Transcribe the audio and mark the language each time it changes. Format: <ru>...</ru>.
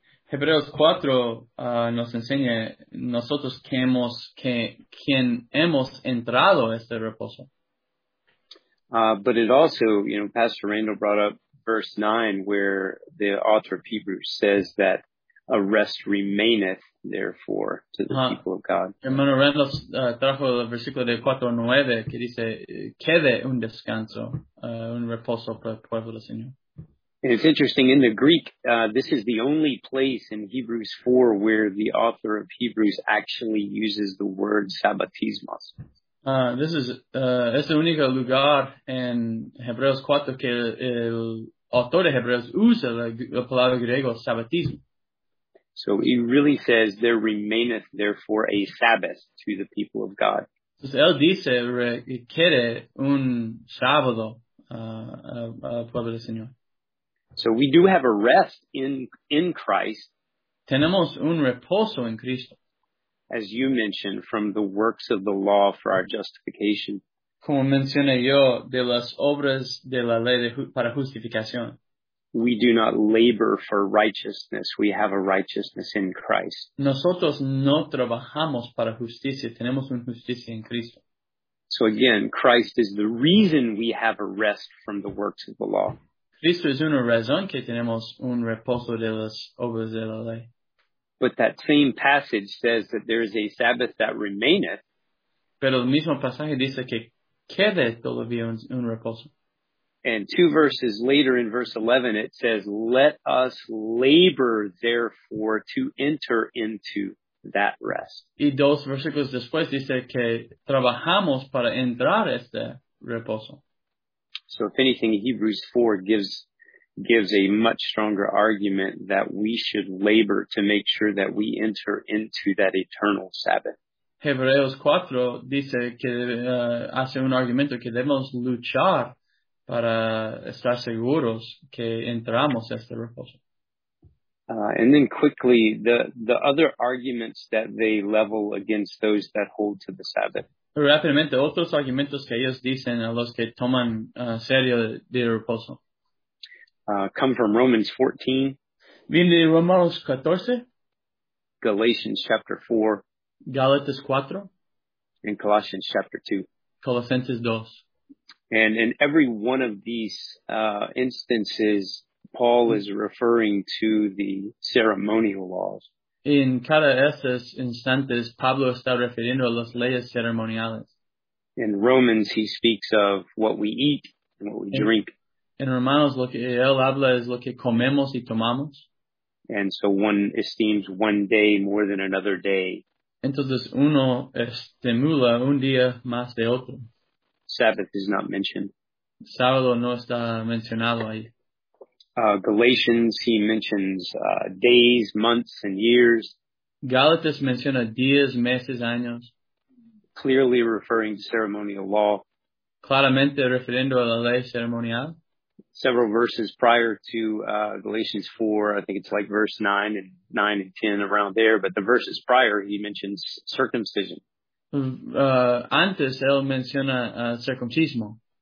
<es>Hebreos 4 nos enseña nosotros que hemos, quien hemos entrado este reposo.</es> <en>But it also, you know, Pastor Randall brought up verse 9 where the author of Hebrews says that a rest remaineth, therefore, to the people of God.</en> <es>Hermano Randall trajo el versículo de 4:9 que dice, quede un descanso, un reposo para el pueblo del Señor.</es> <en>And it's interesting, in the Greek, this is the only place in Hebrews 4 where the author of Hebrews actually uses the word sabbatismos.</en> <es>Es el único lugar en Hebreos 4 que el autor de Hebreos usa la palabra griego sabbatismo.</es> <en>So he really says, there remaineth therefore a Sabbath to the people of God.</en> <es>Entonces, él dice, quiere un sábado al pueblo del Señor.</es> <en>So we do have a rest in Christ.</en> <es>Tenemos un reposo en Cristo.</es> <en>As you mentioned, from the works of the law for our justification.</en> <es>Como mencioné yo, de las obras de la ley para justificación.</es> <en>We do not labor for righteousness. We have a righteousness in Christ.</en> <es>Nosotros no trabajamos para justicia. Tenemos una justicia en Cristo.</es> <en>So again, Christ is the reason we have a rest from the works of the law.</en> <es>Cristo es una razón que tenemos un reposo de las obras de la ley.</es> <en>But that same passage says that there is a Sabbath that remaineth.</en> <es>Pero el mismo pasaje dice que quede todavía un reposo.</es> <en>And two verses later in verse 11, it says, let us labor, therefore, to enter into that rest.</en> <es>Y dos versículos después dice que trabajamos para entrar este reposo.</es> <en>So if anything, Hebrews 4 gives a much stronger argument that we should labor to make sure that we enter into that eternal Sabbath.</en> <es>Hebreos 4 dice que hace un argumento que debemos luchar para estar seguros que entramos a este reposo.</es> <en>And then quickly, the other arguments that they level against those that hold to the Sabbath.</en> <es>rápidamente, otros argumentos que ellos dicen a los que toman serio de reposo.</es> <en>Come from Romans 14.</en> <es>Viene de Romanos 14.</es> <en>Galatians chapter 4.</en> <es>Galatas 4.</es> <en>And Colossians chapter 2.</en> <es>Colosenses 2.</es> <en>And in every one of these instances, Paul is referring to the ceremonial laws.</en> <es>En cada esos instantes, Pablo está refiriendo a las leyes ceremoniales.</es> <en>In Romans, he speaks of what we eat and what we drink.</en> <es>En Romanos, lo que él habla es lo que comemos y tomamos.</es> <en>And so one esteems one day more than another day.</en> <es>Entonces uno estimula un día más de otro.</es> <en>Sabbath is not mentioned.</en> <es>Sábado no está mencionado ahí.</es> <en>Galatians, he mentions days, months, and years.</en> <es>Galatas menciona días, meses, años.</es> <en>Clearly referring to ceremonial law.</en> <es>Claramente refiriendo a la ley ceremonial.</es> <en>Several verses prior to Galatians 4, I think it's like verse 9 and 10, around there. But the verses prior, he mentions circumcision.</en> <es>Antes, él menciona circuncismo.</es>